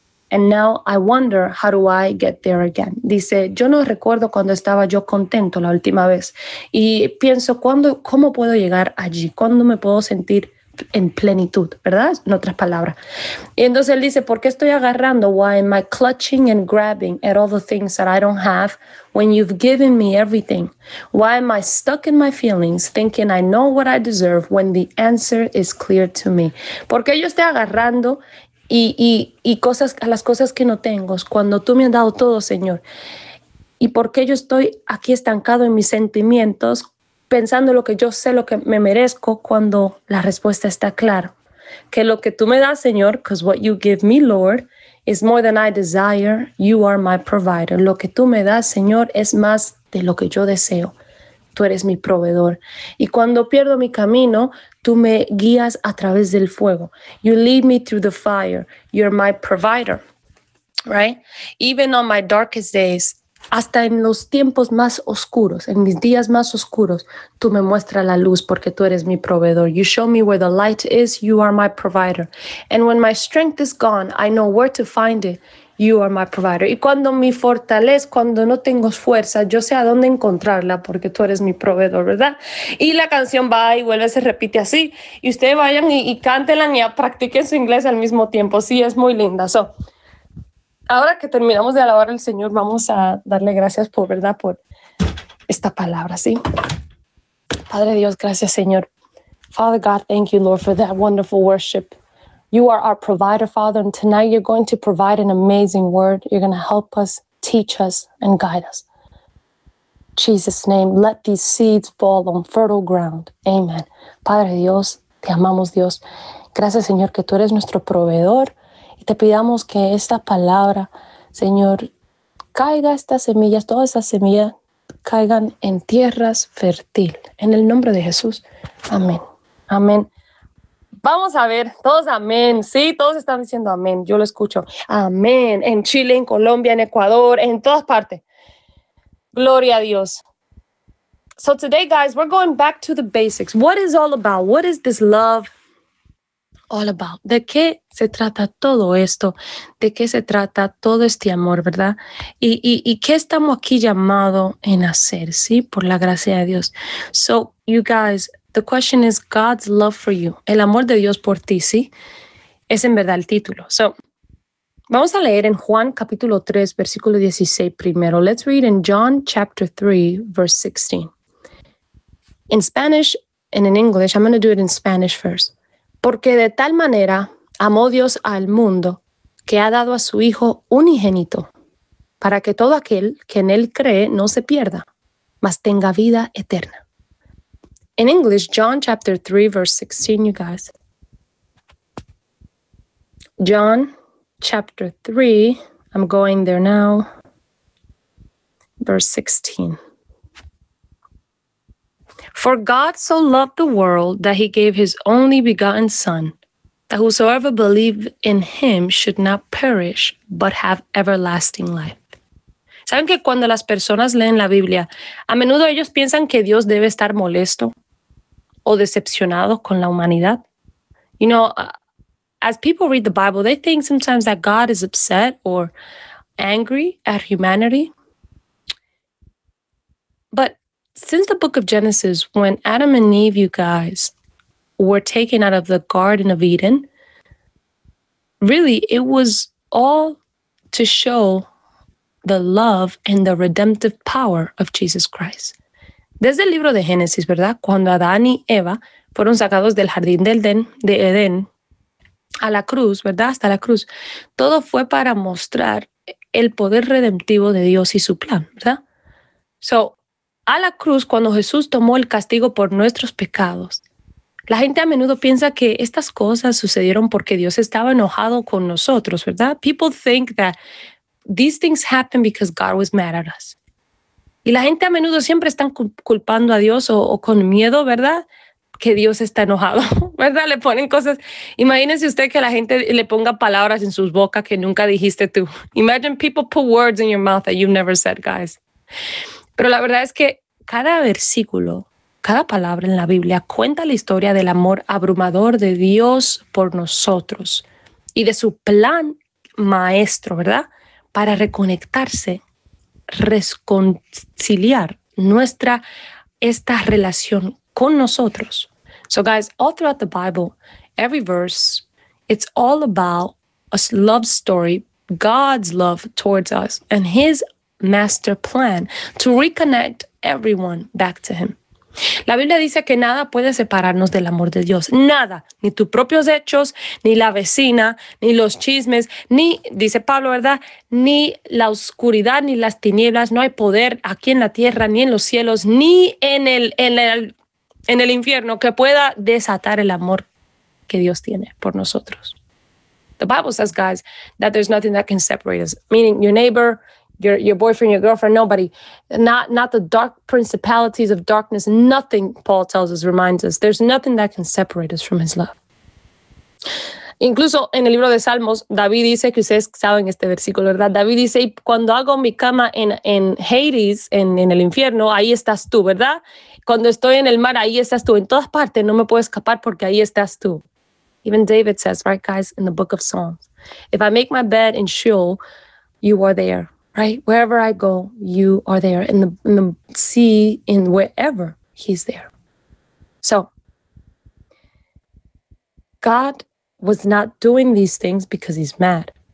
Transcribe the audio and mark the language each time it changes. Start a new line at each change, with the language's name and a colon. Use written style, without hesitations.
English: And now I wonder, how do I get there again?
Spanish: Dice, yo no recuerdo cuando estaba yo contento la última vez. Y pienso, ¿cómo puedo llegar allí? ¿Cuándo me puedo sentir en plenitud? ¿Verdad? En otras palabras. Y entonces él dice, ¿por qué estoy agarrando?
English: Why am I clutching and grabbing at all the things that I don't have when you've given me everything? Why am I stuck in my feelings thinking I know what I deserve when the answer is clear to me?
Spanish: ¿Por qué yo estoy agarrando y cosas, a las cosas que no tengo, cuando tú me has dado todo, Señor? ¿Y por qué yo estoy aquí estancado en mis sentimientos, pensando lo que yo sé, lo que me merezco, cuando la respuesta está clara? Que lo que tú me das, Señor,
English: because what you give me, Lord, is more than I desire, you are my provider.
Spanish: Lo que tú me das, Señor, es más de lo que yo deseo. Tú eres mi proveedor. Y cuando pierdo mi camino, tú me guías a través del fuego.
English: You lead me through the fire. You're my provider, right? Even on my darkest days,
Spanish: hasta en los tiempos más oscuros, en mis días más oscuros, tú me muestras la luz porque tú eres mi proveedor.
English: You show me where the light is. You are my provider. And when my strength is gone, I know where to find it. You are my provider.
Spanish: Y cuando mi fortaleza, cuando no tengo fuerza, yo sé a dónde encontrarla porque tú eres mi proveedor, ¿verdad? Y la canción va y vuelve, se repite así. Y ustedes vayan y cántenla y practiquen su inglés al mismo tiempo. Sí, es muy linda. So, ahora que terminamos de alabar al Señor, vamos a darle gracias por, ¿verdad? Por esta palabra, ¿sí? Padre Dios, gracias, Señor.
English: Father God, thank you, Lord, for that wonderful worship. You are our provider, Father, and tonight you're going to provide an amazing word. You're going to help us, teach us, and guide us. In Jesus' name, let these seeds fall on fertile ground.
Spanish: Amen. Padre Dios, te amamos, Dios. Gracias, Señor, que tú eres nuestro proveedor. Y te pidamos que esta palabra, Señor, caiga estas semillas, todas esas semillas caigan en tierras fértiles. En el nombre de Jesús. Amén. Amén. Vamos a ver, todos amén, sí, todos están diciendo amén, yo lo escucho, amén, en Chile, en Colombia, en Ecuador, en todas partes, gloria a Dios.
English: So today, guys, we're going back to the basics. What is all about? What is this love all about?
Spanish: ¿De qué se trata todo esto? ¿De qué se trata todo este amor, verdad? ¿Y qué estamos aquí llamado en hacer, sí, por la gracia de Dios?
English: So, you guys, the question is God's love for you.
Spanish: El amor de Dios por ti, ¿sí? Es en verdad el título. So, vamos a leer en Juan capítulo 3, versículo 16 primero.
English: Let's read in John chapter 3, verse 16. In Spanish and in English, I'm going to do it in Spanish first.
Spanish: Porque de tal manera amó Dios al mundo que ha dado a su Hijo unigénito para que todo aquel que en él cree no se pierda, mas tenga vida eterna.
English: In English, John chapter 3, verse 16, you guys. John chapter 3, I'm going there now, verse 16. For God so loved the world that he gave his only begotten Son, that whosoever believed in him should not perish, but have everlasting life.
Spanish: ¿Saben que cuando las personas leen la Biblia, a menudo ellos piensan que Dios debe estar molesto o decepcionados con la humanidad?
English: You know, as people read the Bible, they think sometimes that God is upset or angry at humanity. But since the book of Genesis, when Adam and Eve, you guys, were taken out of the Garden of Eden, really, it was all to show the love and the redemptive power of Jesus Christ.
Spanish: Desde el libro de Génesis, ¿verdad? Cuando Adán y Eva fueron sacados del jardín de Edén, a la cruz, ¿verdad? Hasta la cruz. Todo fue para mostrar el poder redemptivo de Dios y su plan, ¿verdad? So, a la cruz, cuando Jesús tomó el castigo por nuestros pecados, la gente a menudo piensa que estas cosas sucedieron porque Dios estaba enojado con nosotros, ¿verdad?
English: People think that these things happen because God was mad at us.
Spanish: Y la gente a menudo siempre están culpando a Dios o con miedo, ¿verdad? Que Dios está enojado, ¿verdad? Le ponen cosas. Imagínese usted que la gente le ponga palabras en sus bocas que nunca dijiste tú.
English: Imagine people put words in your mouth that you've never said, guys.
Spanish: Pero la verdad es que cada versículo, cada palabra en la Biblia cuenta la historia del amor abrumador de Dios por nosotros y de su plan maestro, ¿verdad? Para reconectarse, reconciliar esta relación con nosotros.
English: So guys, all throughout the Bible, every verse, it's all about a love story, God's love towards us and his master plan to reconnect everyone back to him.
Spanish: La Biblia dice que nada puede separarnos del amor de Dios. Nada, ni tus propios hechos, ni la vecina, ni los chismes, ni, dice Pablo, ¿verdad? Ni la oscuridad, ni las tinieblas. No hay poder aquí en la tierra, ni en los cielos, ni en el infierno que pueda desatar el amor que Dios tiene por nosotros.
English: The Bible says, guys, that there's nothing that can separate us. Meaning your neighbor, your boyfriend, your girlfriend, nobody. Not the dark principalities of darkness. Nothing, Paul tells us, reminds us. There's nothing that can separate us from his love.
Spanish: Incluso en el libro de Salmos, David dice, que ustedes saben este versículo, ¿verdad? David dice, cuando hago mi cama en Hades, en el infierno, ahí estás tú, ¿verdad? Cuando estoy en el mar, ahí estás tú. En todas partes, no me puedo escapar porque ahí estás tú.
English: Even David says, right, guys, in the book of Psalms, if I make my bed in Sheol, you are there. Right? Wherever I go, you are there. In the sea, in wherever, he's there. So, God was not doing these things because he's mad.